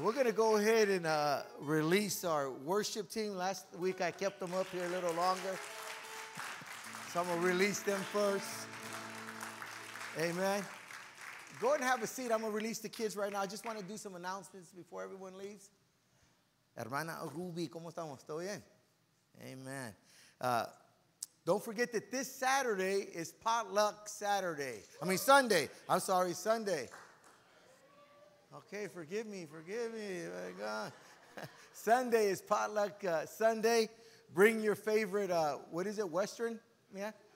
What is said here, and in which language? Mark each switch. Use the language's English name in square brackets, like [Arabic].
[English] We're going to go ahead and release our worship team. Last week I kept them up here a little longer. So I'm going to release them first. Amen. Go ahead and have a seat. I'm going to release the kids right now. I just want to do some announcements before everyone leaves. [Spanish] Hermana Ruby, ¿cómo estamos? ¿Todo bien? Amen. [English] Don't forget that this Saturday is potluck Saturday. I mean, Sunday. I'm sorry, Sunday. Okay, forgive me, forgive me. My God. Sunday is potluck Sunday. Bring your favorite, what is it, Western? Yeah?